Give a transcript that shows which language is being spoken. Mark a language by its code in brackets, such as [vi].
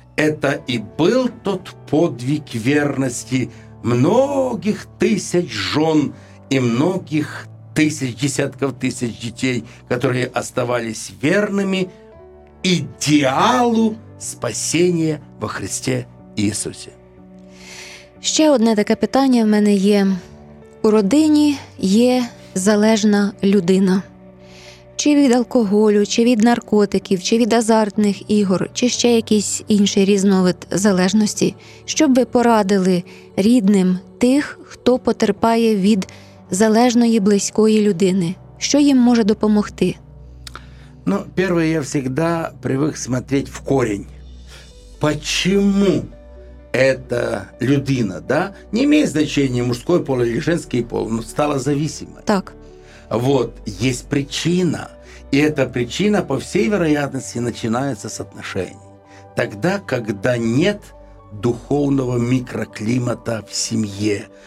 [ru] Это и был тот подвиг верности многих тысяч жен и многих тысяч, десятков тысяч детей, которые оставались верными идеалу спасения во Христе Иисусе. [uk] Ще одне таке питання в мене є. У родині є залежна людина. Чи від алкоголю, чи від наркотиків, чи від азартних ігор, чи ще якийсь інший різновид залежності. Щоб ви порадили рідним тих, хто потерпає від залежної близької людини? Що їм може допомогти? Ну, перше, я завжди привик дивитися в корінь. [ru] Чому? Это людина, да? Не имеет значения, мужской пол или женский пол, но стала зависимой. Так. Вот, есть причина. И эта причина, по всей вероятности, начинается с отношений. Тогда, когда нет духовного микроклимата в семье.